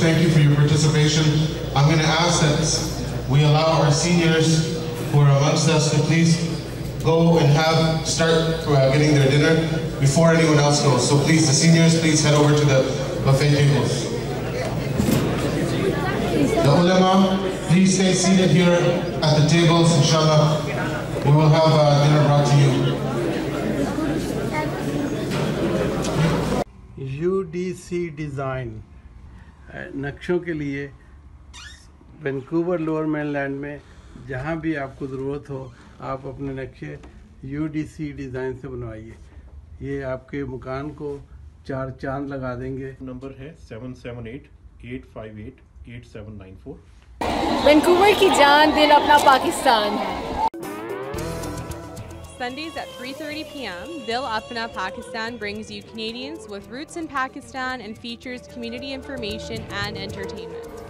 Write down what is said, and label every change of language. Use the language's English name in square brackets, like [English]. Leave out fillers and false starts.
[English] Thank you for your participation. I'm going to ask that we allow our seniors who are amongst us to please go and start getting their dinner before anyone else goes. So please, the seniors, please head over to the buffet tables. The ulama, please stay seated here at the tables, inshallah. We will have dinner brought to you. [Hindi] UDC design नक्शों के लिए Vancouver lower mainland में जहाँ भी आपको ज़रूरत हो आप अपने नक्शे UDC design से बनवाइए. ये आपके मकान को चार चांद लगा देंगे. नंबर है 778-858-8794. वैंकूवर की जान दिल अपना Pakistan. [English] Sundays at 3:30 p.m., Dil Apna Pakistan brings you Canadians with roots in Pakistan and features community information and entertainment.